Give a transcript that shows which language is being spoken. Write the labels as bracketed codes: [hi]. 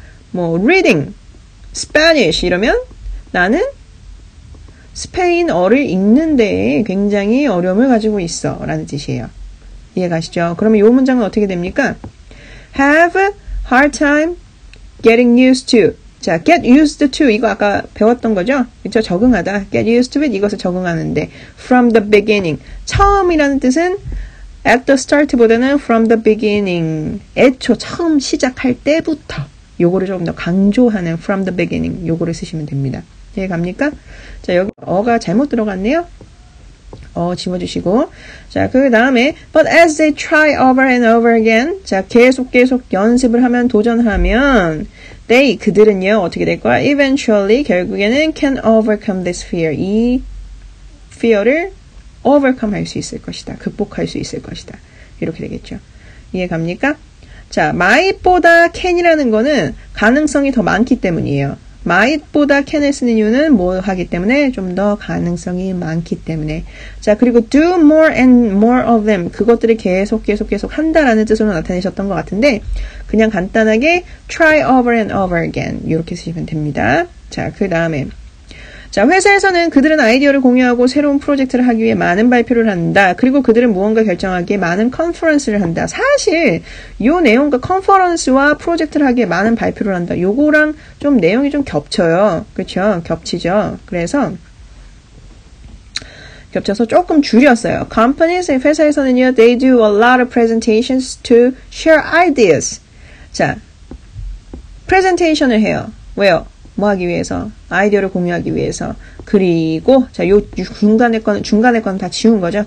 [ko] 뭐 [en] reading Spanish [ko] 이러면 나는 스페인어를 읽는데 굉장히 어려움을 가지고 있어 라는 뜻이에요. 이해가시죠? 그러면 이 문장은 어떻게 됩니까? [en] Have a hard time getting used to. [ko] 자, [en] get used to, [ko] 이거 아까 배웠던 거죠? 그렇죠? 적응하다. [en] Get used to it, [ko] 이것에 적응하는데 [en] from the beginning, [ko] 처음이라는 뜻은 [en] At the start보다는 from the beginning. [ko] 애초 처음 시작할 때부터. 요거를 조금 더 강조하는 from the beginning. 요거를 쓰시면 됩니다. 이해 갑니까? 자, 여기 어가 잘못 들어갔네요. 어 집어주시고. 자, 그 다음에 [en] But as they try over and over again. [ko] 자, 계속 연습을 하면 도전하면 They, 그들은요. 어떻게 될 거야? [en] Eventually, [ko] 결국에는 [en] can overcome this fear. [ko] 이 fear를 overcome 할 수 있을 것이다. 극복할 수 있을 것이다. 이렇게 되겠죠. 이해 갑니까? 자, might보다 can이라는 거는 가능성이 더 많기 때문이에요. might보다 can을 쓰는 이유는 뭐 하기 때문에? 좀 더 가능성이 많기 때문에. 자, 그리고 [en] do more and more of them. [ko] 그것들을 계속 한다라는 뜻으로 나타내셨던 것 같은데 그냥 간단하게 [en] try over and over again. [ko] 이렇게 쓰시면 됩니다. 자, 그 다음에 자, 회사에서는 그들은 아이디어를 공유하고 새로운 프로젝트를 하기 위해 많은 발표를 한다. 그리고 그들은 무언가 결정하기에 많은 컨퍼런스를 한다. 사실 요 내용과 컨퍼런스와 프로젝트를 하기에 많은 발표를 한다. 요거랑 좀 내용이 좀 겹쳐요. 그렇죠? 겹치죠. 그래서 겹쳐서 조금 줄였어요. Companies, 회사에서는요. [en] They do a lot of presentations to share ideas. [ko] 자, presentation을 해요. 왜요? 뭐 하기 위해서? 아이디어를 공유하기 위해서. 그리고 자, 요 중간에 건 다 지운 거죠.